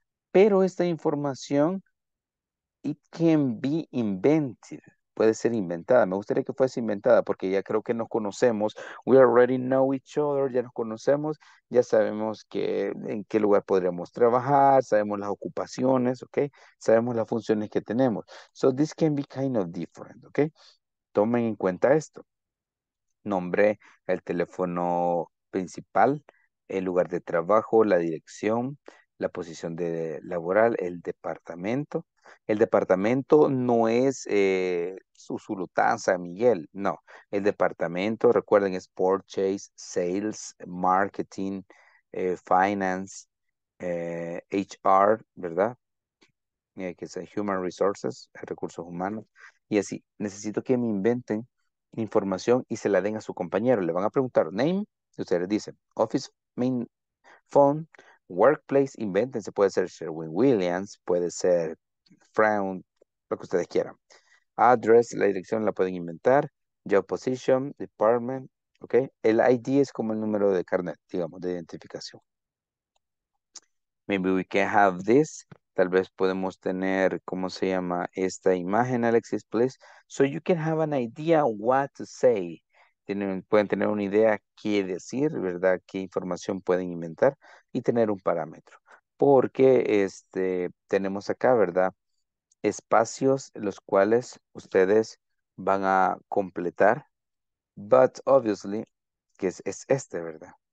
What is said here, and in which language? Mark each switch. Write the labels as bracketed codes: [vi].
[es] Pero esta información, [en] it can be invented. [es] Puede ser inventada. Me gustaría que fuese inventada porque ya creo que nos conocemos. [en] We already know each other. [es] Ya nos conocemos. Ya sabemos que, en qué lugar podríamos trabajar. Sabemos las ocupaciones, okay? Sabemos las funciones que tenemos. [en] So this can be kind of different, okay? [es] Tomen en cuenta esto. Nombre, el teléfono principal, el lugar de trabajo, la dirección, la posición de laboral, el departamento. El departamento no es Susulután, San Miguel, no. El departamento, recuerden, es Purchase, Sales, Marketing, Finance, HR, ¿verdad? Que es Human Resources, Recursos Humanos. Y así, necesito que me inventen información y se la den a su compañero. Le van a preguntar name, y ustedes dicen office main phone, workplace, invéntense, puede ser Sherwin Williams, puede ser Frown, lo que ustedes quieran. Address, la dirección la pueden inventar, job position, department, ok. El ID es como el número de carnet, digamos, de identificación. [en] Maybe we can have this. [es] Tal vez podemos tener, ¿cómo se llama esta imagen, Alexis, please? [en] So you can have an idea what to say. [es] Pueden tener una idea qué decir, ¿verdad? Qué información pueden inventar y tener un parámetro. Porque tenemos acá, ¿verdad? Espacios los cuales ustedes van a completar. [en] But obviously, [es] que es este, ¿verdad?